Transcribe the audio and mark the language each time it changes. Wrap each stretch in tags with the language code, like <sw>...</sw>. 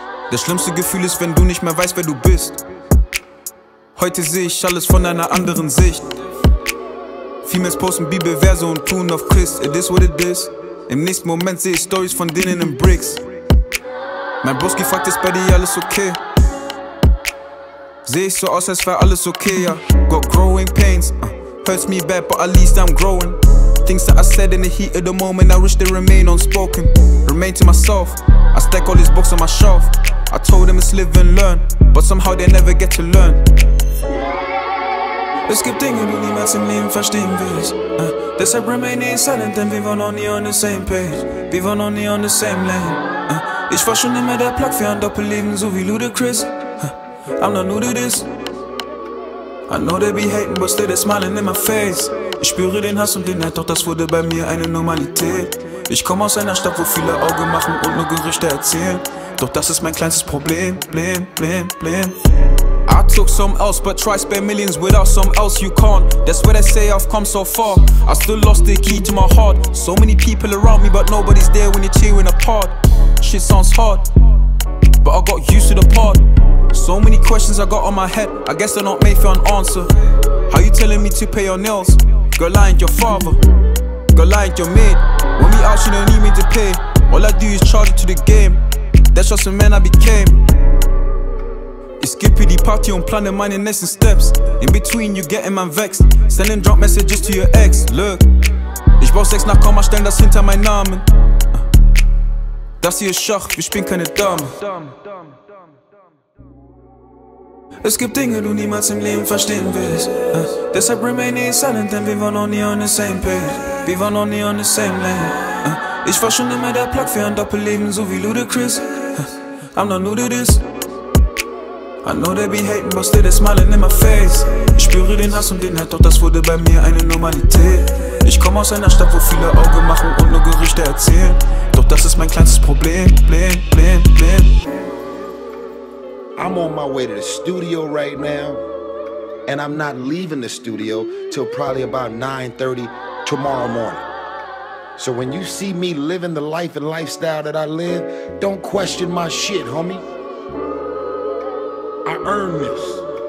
<de>Das schlimmste Gefühl ist, wenn du nicht mehr weißt, wer du bist. Heute sehe ich alles von einer anderen Sicht. Females posten Bibelverse und tun auf Christ.</de> <en>It is what it is.</en> <de>Im nächsten Moment sehe ich Stories von denen in Bricks. Mein Broski fragt, ist bei dir alles okay? Sehe ich so aus, als wäre alles okay, ja.</de> <en>Got growing pains, hurts me bad, but at least I'm growing. Things that I said in the heat of the moment, I wish they remain unspoken. Remain to myself, I stack all these books on my shelf. I told them it's live and learn, but somehow they never get to learn.</en> <de>Es gibt Dinge, die niemals im Leben verstehen willst. Deshalb</de> <en>remain in silent,</en> <de>denn wir waren noch nie</de> <en>on the same page.</en> <de>Wir waren noch nie</de> <en>on the same lane.</en> <de>Ich war schon immer der Plug für ein Doppelleben, so wie Ludacris.</de> <en>I'm not new to this. I know they be hating, but still they smiling in my face.</en> <de>Ich spüre den Hass und den Neid, doch das wurde bei mir eine Normalität. Ich komme aus einer Stadt, wo viele Augen machen und nur Gerüchte erzählen. Doch das ist mein kleinstes Problem, blim, blim, blim.</de> <en>I took some else, but try spare millions without some else you can't. That's where they say I've come so far. I still lost the key to my heart. So many people around me, but nobody's there when you're tearing apart. Shit sounds hard, but I got used to the part. So many questions I got on my head, I guess they're not made for an answer. How you telling me to pay your nails? Girl, I ain't your father. Girl, I ain't your maid. When we out, you don't need me to pay. All I do is charge it to the game. That's just the man I became.</en> <de>Ich skippe die Party und plane meine nächsten Steps.</de> <en>In between you getting man vexed. Sending drunk messages to your ex.</en> <de>Look, ich brauch sechs Nachkommen, stell das hinter meinen Namen. Das hier ist Schach, ich bin keine Dame. Es gibt Dinge, du niemals im Leben verstehen willst. Deshalb</de> <en>remain in silent,</en> <de>denn wir waren noch nie</de> <en>on the same page.</en> <de>Wir waren noch nie</de> <en>on the same lane.</en> <de>Ich war schon immer der Plug für ein Doppelleben, so wie Ludacris.</de> <en>I'm not new to this. I know they be hating, but still they smiling in my face.</en> <de>Ich spüre den Hass und den Hate, doch das wurde bei mir eine Normalität. Ich komme aus einer Stadt, wo viele Augen machen und nur Gerüchte erzählen. Doch das ist mein kleinstes Problem, blim, blim, blim.</de> <en>I'm on my way to the studio right now, and I'm not leaving the studio till probably about 9:30 tomorrow morning. So when you see me living the life and lifestyle that I live, don't question my shit, homie. I earned this.</en>